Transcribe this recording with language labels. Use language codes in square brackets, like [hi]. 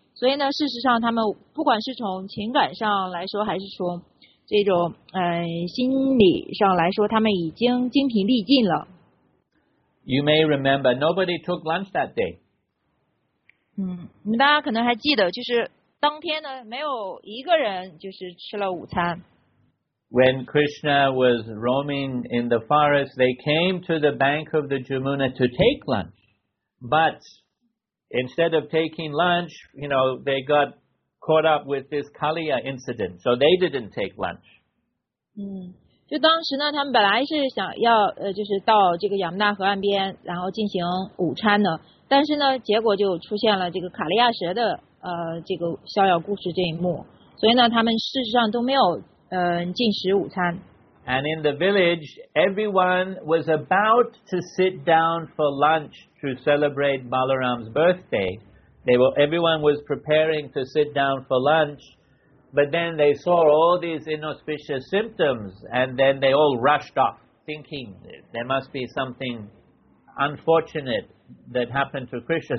[zh] 所以呢，事实上，他们不管是从情感上来说，还是从这种心理上来说，他们已经精疲力尽了。 [en] You may remember nobody took lunch that day. [zh] 大家可能还记得，就是当天呢，没有一个人就是吃了午餐。 [en] When Krishna was roaming in the forest, they came to the bank of the Jamuna to take lunch, but. Instead of taking lunch, you know, they got caught up with this Kaliya incident, so they didn't take lunch. [zh] 就当时呢，他们本来是想要就是到这个亚穆纳河岸边，然后进行午餐的，但是呢，结果就出现了这个卡利亚蛇的这个逍遥故事这一幕，所以呢，他们事实上都没有进食午餐。 [en] And in the village, everyone was about to sit down for lunch to celebrate Balaram's birthday. Everyone was preparing to sit down for lunch, but then they saw all these inauspicious symptoms, and then they all rushed off, thinking there must be something unfortunate that happened to Krishna.